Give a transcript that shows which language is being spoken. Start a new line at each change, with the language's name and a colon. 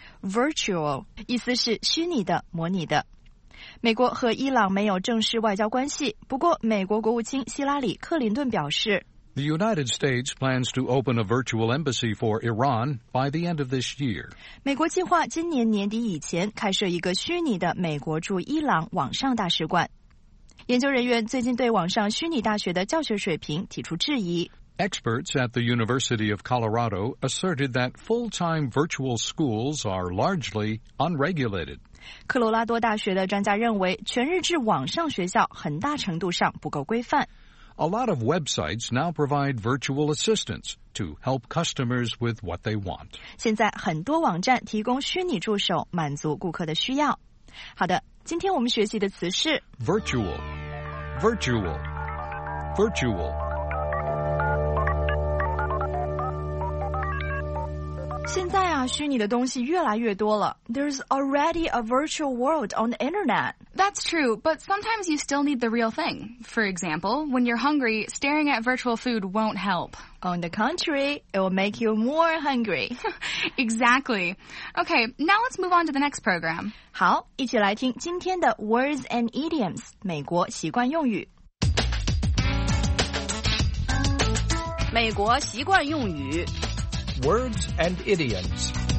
Chinese: Virtual, 意思是虚拟的、模拟的。美国和伊朗没有正式外交关系，不过美国国务卿希拉里·克林顿表示
English: The United States plans to open a virtual embassy for Iran by the end of this year.
Chinese: 美国计划今年年底以前开设一个虚拟的美国驻伊朗网上大使馆。研究人员最近对网上虚拟大学的教学水平提出质疑。
English: Experts at the University of Colorado asserted that full-time virtual schools are largely unregulated.
Chinese: 科罗拉多大学的专家认为，全日制网上学校很大程度上不够规范。
English: A lot of websites now provide virtual assistants to help customers with what they want.
Chinese: 现在很多网站提供虚拟助手，满足顾客的需要。好的，今天我们学习的词是
English: virtual, virtual, virtual.
Chinese: 现在啊，虚拟的东西越来越多了。
English: There's already a virtual world on the internet. That's true, but sometimes you still need the real thing. For example, when you're hungry, staring at virtual food won't help. On the contrary, it will make you more hungry. Exactly. Okay, now let's move on to the next program.
Chinese: 好，一起来听今天的 Words and Idioms, 美国习惯用语。美国习惯用语。
English: Words and idioms.